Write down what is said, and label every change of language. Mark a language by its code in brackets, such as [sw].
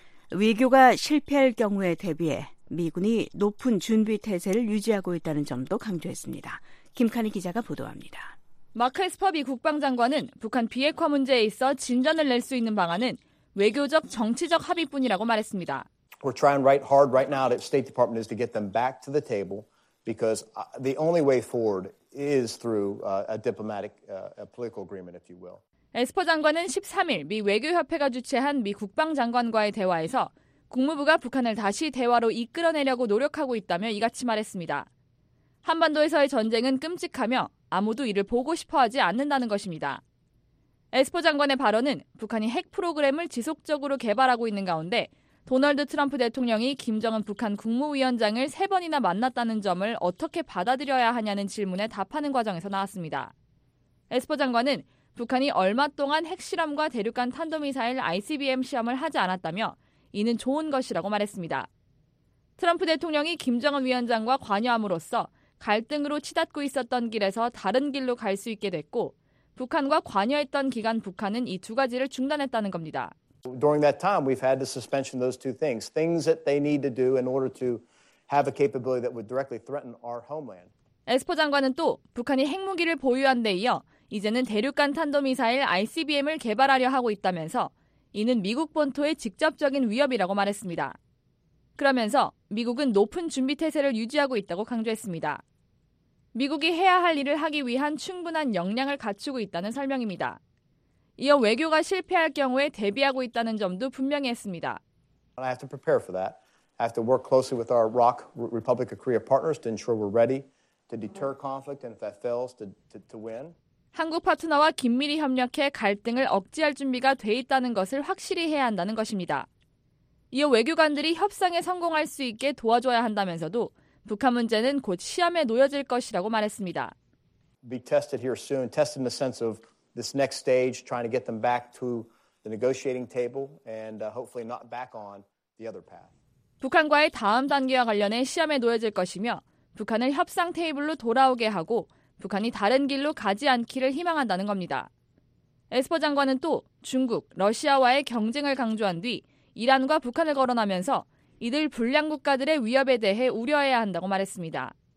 [ko] 외교가 실패할 경우에 대비해 미군이 높은 준비태세를 유지하고 있다는 점도 강조했습니다. 김카니 기자가 보도합니다. 마크 에스퍼 미 국방장관은 북한 비핵화 문제에 있어 진전을 낼 수 있는 방안은 외교적, 정치적 합의뿐이라고 말했습니다. [en] We're trying right hard right now at State Department is to get them back to the table because the only way forward is through a diplomatic, a political agreement, if you will. [ko] 에스퍼 장관은 13일 미 외교협회가 주최한 미 국방장관과의 대화에서 국무부가 북한을 다시 대화로 이끌어내려고 노력하고 있다며 이같이 말했습니다. 한반도에서의 전쟁은 끔찍하며 아무도 이를 보고 싶어하지 않는다는 것입니다. 에스퍼 장관의 발언은 북한이 핵 프로그램을 지속적으로 개발하고 있는 가운데 도널드 트럼프 대통령이 김정은 북한 국무위원장을 세 번이나 만났다는 점을 어떻게 받아들여야 하냐는 질문에 답하는 과정에서 나왔습니다. 에스퍼 장관은 북한이 얼마 동안 핵실험과 대륙간 탄도미사일 ICBM 시험을 하지 않았다며 이는 좋은 것이라고 말했습니다. 트럼프 대통령이 김정은 위원장과 관여함으로써 갈등으로 치닫고 있었던 길에서 다른 길로 갈 수 있게 됐고 북한과 관여했던 기간 북한은 이 두 가지를 중단했다는 겁니다. [en] During that time we've had the suspension of those two things. Things that they need to do in order to have a capability that would directly threaten our homeland. [ko] 에스퍼 장관은 또 북한이 핵무기를 보유한 데 이어 이제는 대륙간 탄도미사일 ICBM을 개발하려 하고 있다면서 이는 미국 본토의 직접적인 위협이라고 말했습니다. 그러면서 미국은 높은 준비태세를 유지하고 있다고 강조했습니다. 미국이 해야 할 일을 하기 위한 충분한 역량을 갖추고 있다는 설명입니다. 이어 외교가 실패할 경우에 대비하고 있다는 점도 분명히 했습니다. [en] I have to prepare for that. I have to work closely with our ROC, Republic of Korea partners to ensure we're ready to deter conflict and if that fails to win. [ko] 한국 파트너와 긴밀히 협력해 갈등을 억제할 준비가 돼 있다는 것을 확실히 해야 한다는 것입니다. 이어 외교관들이 협상에 성공할 수 있게 도와줘야 한다면서도 북한 문제는 곧 시험에 놓여질 것이라고 말했습니다. [en] Be tested here soon, tested in the sense of this next stage, trying to get them back to the negotiating table and hopefully not back on the other path. [ko] 북한과의 다음 단계와 관련해 시험에 놓여질 것이며 북한을 협상 테이블로 돌아오게 하고 북한이 다른 길로 가지 않기를 희망한다는 겁니다. 에스퍼 장관은 또 중국, 러시아와의 경쟁을 강조한 뒤 이란과 북한을 거론하면서 이들 불량 국가들의 위협에 대해 우려해야 한다고 말했습니다.